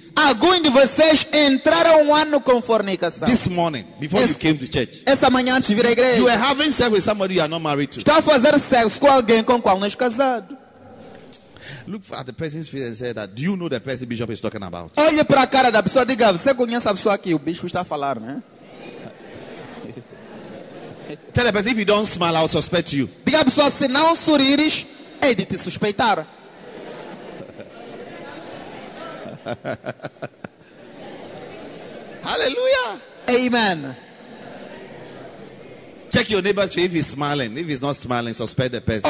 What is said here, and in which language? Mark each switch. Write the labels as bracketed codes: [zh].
[pt] Alguns de vocês entraram um ano com fornicação. [en] This morning, before you came to church. [pt] Essa manhã antes de vir à igreja. [en] You were having sex with somebody you are not married to. [pt] Estava fazendo sexo com alguém com qual não é casado. [en] Look at the person's face and say that, do you know the person Bishop is talking about? [pt] Olhe para a cara da pessoa e diga, você conhece a pessoa que o bispo está a falar, né? [en] Tell the person, if you don't smile, I'll suspect you. [pt] Diga a pessoa, se não sorrires, é de te suspeitar. Hallelujah. Amen. [en] Check your neighbor's face if he's smiling. If he's not smiling, suspect the person.